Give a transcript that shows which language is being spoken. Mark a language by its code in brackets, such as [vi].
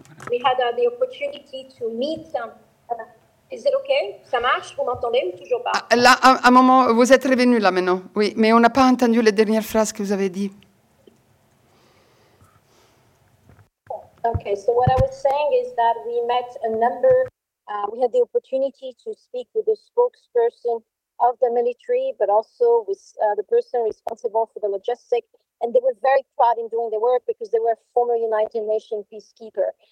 [en] We had the opportunity to meet is it okay? [fr] Ça marche? Vous m'entendez ou toujours pas? Là, à un moment, vous êtes revenu là maintenant. Oui, mais on n'a pas entendu les dernières phrases que vous avez dit. [en] Okay, so what I was saying is that we met a number. We had the opportunity to speak with the spokesperson of the military, but also with the person responsible for the logistics. And they were very proud in doing the work because they were former United Nations peacekeeper.